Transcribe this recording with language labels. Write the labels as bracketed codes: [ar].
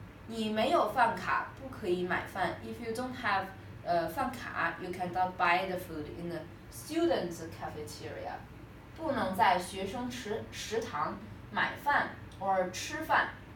[zh] 你没有饭卡, 不可以买饭. [en] If you don't have 饭卡, you cannot buy the food in the student's cafeteria. [zh] 不能在学生食堂买饭 [en] or [zh] 吃饭.